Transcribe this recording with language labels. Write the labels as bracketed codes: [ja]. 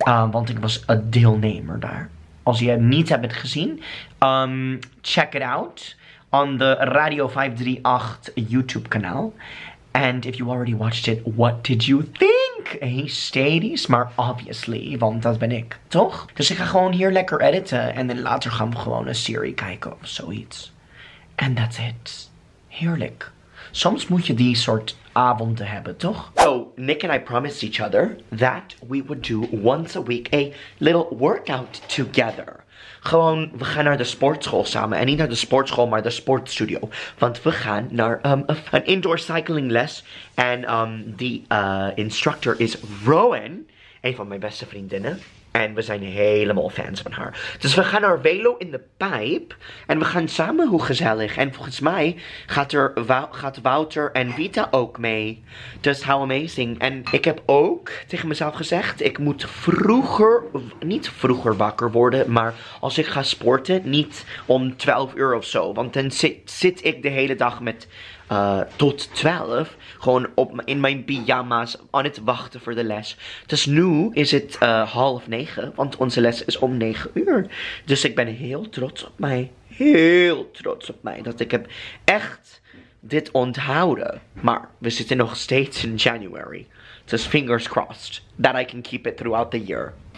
[nl] Want ik was een deelnemer daar. Als je het niet hebt gezien, [en] check it out. on the Radio 538 YouTube kanaal. And if you already watched it, what did you think? [nl] Hysterisch, maar [en] obviously, [nl] want dat ben ik, toch? Dus ik ga gewoon hier lekker editen en dan later gaan we gewoon een serie kijken of zoiets. [en] And that's it. [nl] Heerlijk. Soms moet je die soort avonden hebben, toch? [en] So, Nick and I promised each other that we would do once a week a little workout together. [nl] Gewoon, we gaan naar de sportschool samen. En niet naar de sportschool, maar de sportstudio. Want we gaan naar een indoor cycling les. En instructor is Rowan. Een van mijn beste vriendinnen. En we zijn helemaal fans van haar. Dus we gaan naar Velo in de Pijp. En we gaan samen, hoe gezellig. En volgens mij gaat Wouter en Vita ook mee. Dus [en] how amazing. [nl] En ik heb ook tegen mezelf gezegd, ik moet vroeger, niet vroeger wakker worden. Maar als ik ga sporten, niet om 12 uur of zo. Want dan zit ik de hele dag met tot 12. Gewoon in mijn pyjama's aan het wachten voor de les. Dus nu is het 8:30. Want onze les is om 9 uur. Dus ik ben heel trots op mij. Heel trots op mij. Dat ik heb echt dit onthouden. Maar we zitten nog steeds in January. Dus [en] fingers crossed that I can keep it throughout the year.